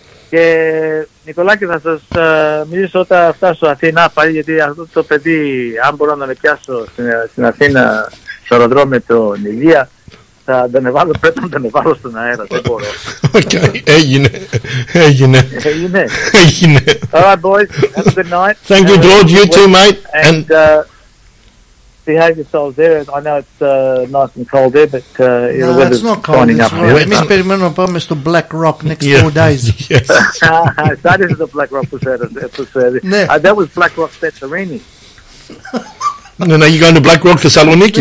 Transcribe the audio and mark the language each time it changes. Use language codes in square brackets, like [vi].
[el] Και Νικολάκη, θα σας μιλήσω όταν φτάσω Αθήνα πάλι, γιατί αυτό το παιδί, αν μπορώ να με πιάσω στην Αθήνα στο αεροδρόμιο με τον Ηλία, θα ανεβάλω, πρέπει να ανεβάλω στον αέρα, δεν μπορώ. Έγινε, έγινε. Έγινε. Έγινε. [en] All right, boys, have a good night. Thank you, George, you too, mate. And behave yourselves there. I know it's nice and cold there, but the weather's finding up. [el] Εμείς περιμένουμε να πάμε στο Black Rock [en] next 4 days. That is the Black Rock episode. That was Black Rock Santorini. No, no, you're going to Black Rock Thessaloniki.